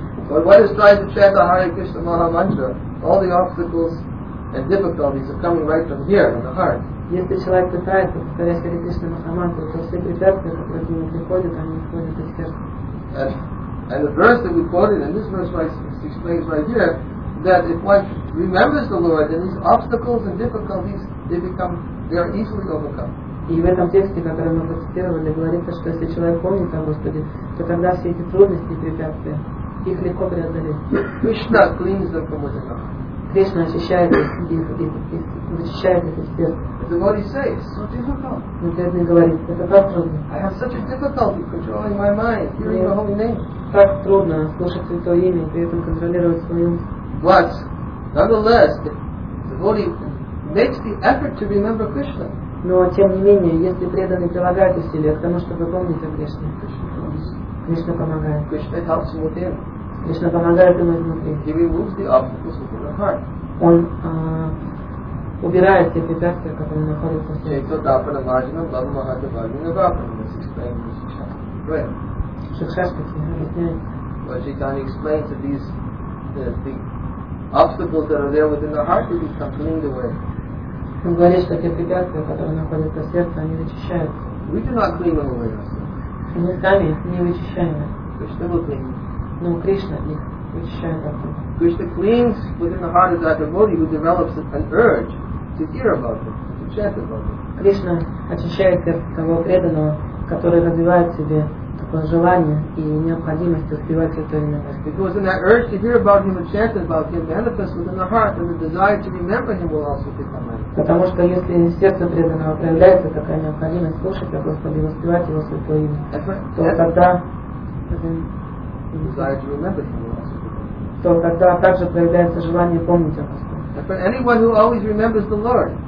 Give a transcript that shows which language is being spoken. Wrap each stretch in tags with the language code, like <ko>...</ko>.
<en>But what is trying to chant the Hare Krishna Maha Mantra? All the obstacles and difficulties are coming right from here, from the heart.</en> <ru>Если человек пытается повторять Хари Кришна Махамантру, то все препятствия, которые к нему приходят, они исходят из сердца.</ru> <en>And the verse that we quoted in this verse right, explains right here that if one remembers the Lord, then these obstacles and difficulties they are easily overcome.</en> <ru>И в этом тексте, который мы процитировали, говорится, что если человек помнит о Господе, то тогда все эти трудности и препятствия их легко преодолеть.</ru> <en>Кришна cleans them from within.</en> <ru>Кришна очищает их и вычищает их из сердца.</ru> <en>The devotee says, so difficult.</en> <ru>Но преданный говорит, это так трудно.</ru> <en>I have such a difficulty controlling my mind, hearing the holy name.</en> <ru>Так трудно слушать Святое имя и при этом контролировать свой ум.</ru> <en>But, nonetheless, the devotee makes the effort to remember Krishna.</en> <ru>Но, тем не менее, если преданный прилагает усилия к тому, чтобы помнить о Кришне, Кришна помогает.</ru> <en>Krishna helps him within.</en> <ru>Кришна помогает ему изнутри.</ru> <en>He removes the obstacles within the heart.</en> <ru>Он убирает те препятствия, которые находятся в сердце. Чайтотапана Маджина Баба Махатабхагина Гапана.</ru> <en>Let's explain this Шикшаспати.</en> <ru>Шикшаспати объясняет.</ru> <en>Well, Чайтани explains that these the obstacles that are there within the heart will be cleaned away.</en> <ru>Он говорит, что те препятствия, которые находятся в сердце, они вычищаются.</ru> <en>We do not clean them away.</en> <ru>Мы сами не вычищаем их.</ru> <en>Кришна will clean them.</en> <ru>Но Кришна их вычищает оттуда.</ru> <en>Krishna cleans within the heart of that devotee who develops an urge to hear about it, to chant about it.</en> <ru>Krishna очищает того преданного, который развивает в себе такое желание и необходимость успевать это имя.</ru> <en>Because in that urge to hear about him and chant about him manifests within the heart, and the desire to remember him will also become manifest.</en> <ru>Потому что если в сердце преданного проявляется такая необходимость слушать о Господе и успевать его святое имя, то тогда</ru> <en>desire to remember him will also.</en> <ru>То тогда также проявляется желание помнить о Господе.</ru>